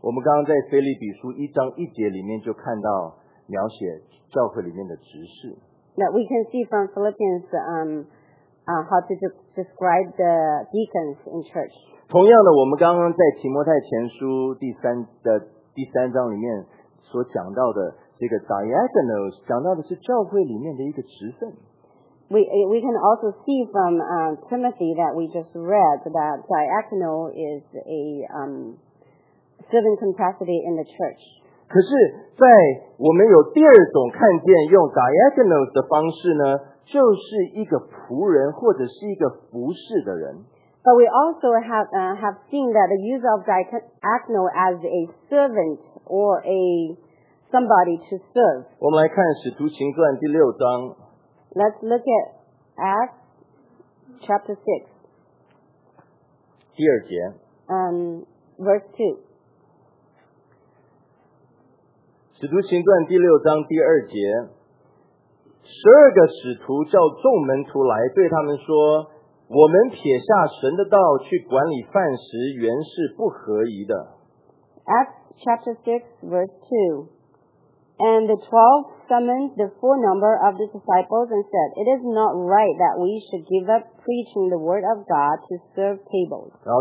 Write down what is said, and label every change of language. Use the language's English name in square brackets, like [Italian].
[Chinese] 我们刚刚在腓立比书一章一节里面就看到描写教会里面的执事。 [English] That we can see from Philippians how to describe the deacons in church. [Chinese] 同样的，我们刚刚在提摩太前书第三章里面所讲到的这个 diakonos 讲到的是教会里面的一个职分。 [English] We can also see from Timothy that we just read that diakono is a serving capacity in the church. [Chinese] 可是在我们有第二种看见用 diagonals 的方式呢, 就是一个仆人或者是一个服侍的人。 [English] But we also have seen that the use of diaconal as a servant or a somebody to serve. [Chinese] 我们来看使徒行传第六章。 [English] Let's look at Acts chapter 6. [Chinese] 第二节。 [English] Verse 2. [Chinese] 使徒行传第六章第二节。十二个使徒叫众门徒来对他们说, 我们撇下神的道去管理饭食原是不合宜的。 [English] Acts chapter 6 verse 2. And the 12 summoned the full number of the disciples and said, It is not right that we should give up preaching the word of God to serve tables.